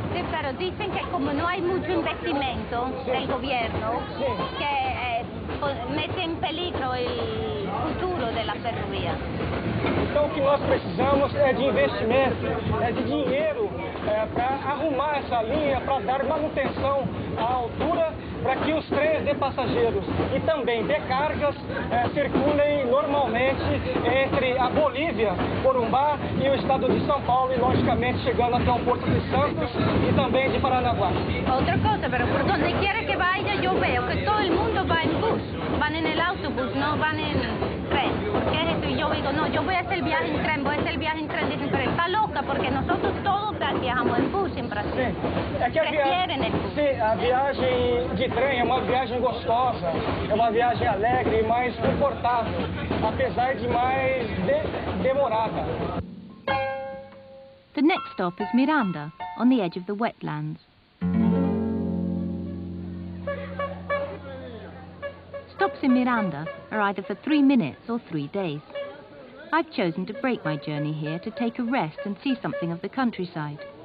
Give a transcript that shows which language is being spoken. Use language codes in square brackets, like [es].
[es] Claro, dicen que como no hay mucho investimento del gobierno, que mete en peligro el futuro de la ferrovía. [pt] Então o que nós precisamos é de investimento, é de dinheiro para arrumar essa linha, para dar manutenção à altura, para que os trens de passageiros e também de cargas circulem normalmente entre a Bolívia, Corumbá e o estado de São Paulo e logicamente chegando até o porto de Santos e também de Paranaguá. Outra coisa, [es] pero por donde quiera que vaya, yo veo que todo el mundo va en bus, van en el autobús, no van en tren. ¿Por qué es esto? Y yo digo, no, yo voy a hacer el viaje en tren, voy a hacer el viaje en tren. Dicen, pero está loca, porque nosotros todos viajamos en bus en Brasil. Sí, prefieren el bus. [pt] Sí, a viagem de trem é uma viagem gostosa, é uma viagem alegre, mais confortável, apesar de mais demorada. [en] The next stop is Miranda, on the edge of the wetlands. Stops in Miranda are either for 3 minutes or 3 days. I've chosen to break my journey here to take a rest and see something of the countryside.